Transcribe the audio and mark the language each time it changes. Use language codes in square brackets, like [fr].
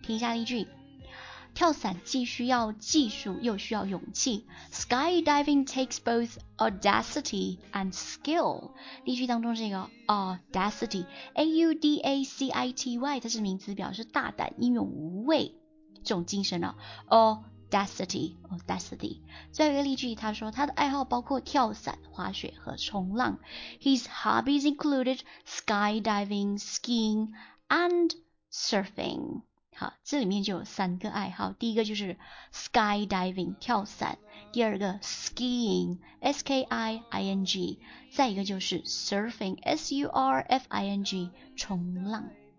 [zh] 听一下例句，跳伞既需要技术又需要勇气， [en] skydiving takes both audacity and skill。 [zh] 例句当中这个 audacity audacity 它是名词，表示大胆英勇无畏这种精神啊。 Audacity 最后一个例句，他说他的爱好包括跳伞、滑雪和冲浪。 [en] His hobbies included skydiving, skiing and surfing。 [zh] 好，这里面就有三个爱好，第一个就是 skydiving 跳伞，第二个 skiing skiing， 再一个就是 surfing surfing 冲浪。